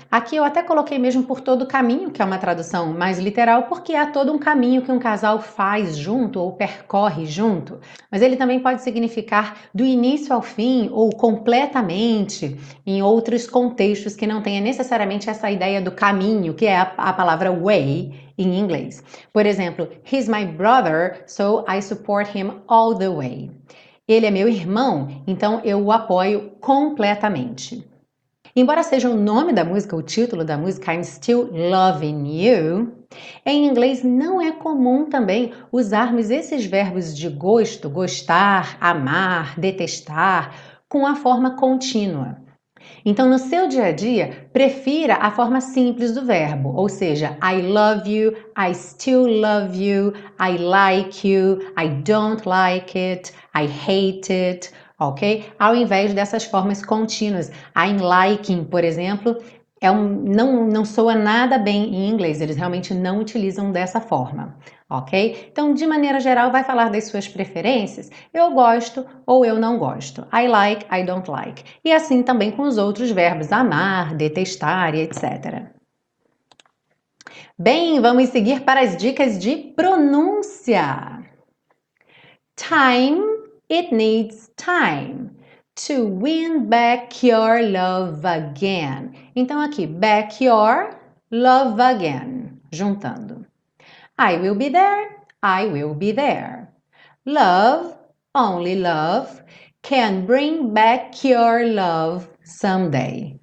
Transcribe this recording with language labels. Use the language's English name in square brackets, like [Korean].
[Portuguese] Aqui eu até coloquei mesmo por todo o caminho, que é uma tradução mais literal, porque é todo um caminho que um casal faz junto ou percorre junto. Mas ele também pode significar do início ao fim ou completamente em outros contextos que não tenha necessariamente essa ideia do caminho, que é a palavra way em inglês. Por exemplo, [English] he's my brother, so I support him all the way. [Portuguese] Ele é meu irmão, então eu o apoio completamente. Embora seja o nome da música, o título da música, I'm Still Loving You, em inglês não é comum também usarmos esses verbos de gosto, gostar, amar, detestar, com a forma contínua. Então, no seu dia a dia, prefira a forma simples do verbo, ou seja, [English] I love you, I still love you, I like you, I don't like it, I hate it. Ok? [Portuguese] Ao invés dessas formas contínuas. [English] I'm liking, [Portuguese] por exemplo, não soa nada bem em inglês, eles realmente não utilizam dessa forma. Ok? Então, de maneira geral, vai falar das suas preferências. Eu gosto ou eu não gosto. [English] I like, I don't like. [Portuguese] E assim também com os outros verbos, amar, detestar e etc. Bem, vamos seguir para as dicas de pronúncia. [English] Time. It needs time to win back your love again. [Portuguese] Então aqui, [English] back your love again, [Portuguese] juntando. [English] I will be there, I will be there. Love, only love, can bring back your love someday.